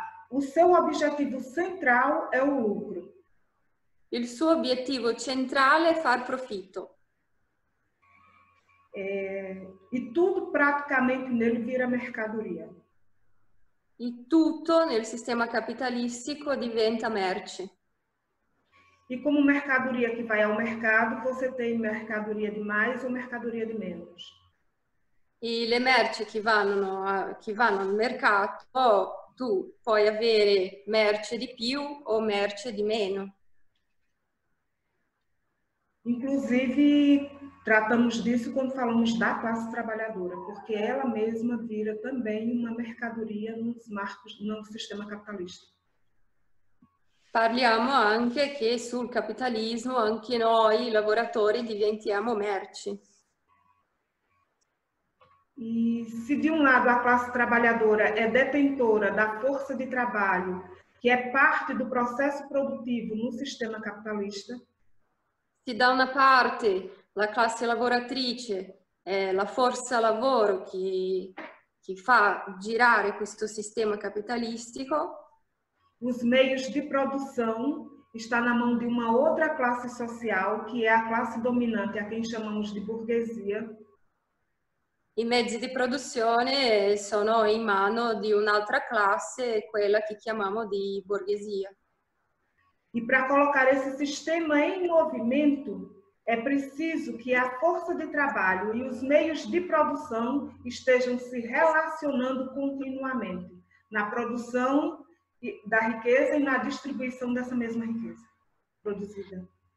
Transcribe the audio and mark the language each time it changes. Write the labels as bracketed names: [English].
[Portuguese] O seu objetivo central é o lucro. [Italian] Il suo obiettivo centrale è far profitto. [Portuguese] E tudo praticamente nele vira mercadoria. [Italian] E tutto nel sistema capitalistico diventa merce. [Portuguese] E como mercadoria que vai ao mercado, você tem mercadoria de mais ou mercadoria de menos? [Italian] E le merci che vanno al mercato, tu puoi avere merce di più o merce di meno. [Portuguese] Inclusive, tratamos disso quando falamos da classe trabalhadora, porque ela mesma vira também uma mercadoria nos marcos do nosso sistema capitalista. [Italian] Parliamo anche che sul capitalismo anche noi lavoratori diventiamo merci. [Portuguese] E se de um lado a classe trabalhadora é detentora da força de trabalho, que é parte do processo produtivo no sistema capitalista, [Italian] se da una parte la classe lavoratrice è la forza lavoro che fa girare questo sistema capitalistico, [Portuguese] os meios de produção está na mão de uma outra classe social, que é a classe dominante, a quem chamamos de burguesia. [Italian] I mezzi di produzione sono in mano di un'altra classe, quella che chiamiamo di borghesia. [Portuguese] E para colocar esse sistema em movimento, é preciso que a força de trabalho e os meios de produção estejam se relacionando continuamente na produção da riqueza e na distribuição dessa mesma riqueza produzida.